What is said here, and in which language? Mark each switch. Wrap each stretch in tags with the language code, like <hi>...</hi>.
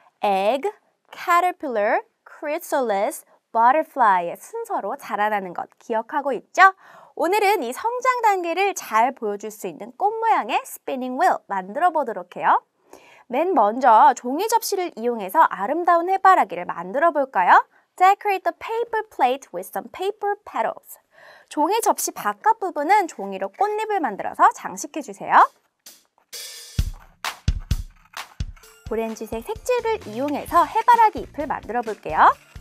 <ko>Egg, caterpillar, chrysalis, butterfly의 순서로 자라나는 것 기억하고 있죠? 오늘은 이 성장 단계를 잘 보여줄 수 있는 꽃 모양의 spinning wheel 만들어 보도록 해요. 맨 먼저 종이 접시를 이용해서 아름다운 해바라기를 만들어 볼까요?</ko> <en>Decorate the paper plate with some paper petals.</en> <ko>종이 접시 바깥 부분은 종이로 꽃잎을 만들어서 장식해 주세요. 오렌지색 색질을 이용해서 해바라기 잎을 만들어 볼게요.</ko>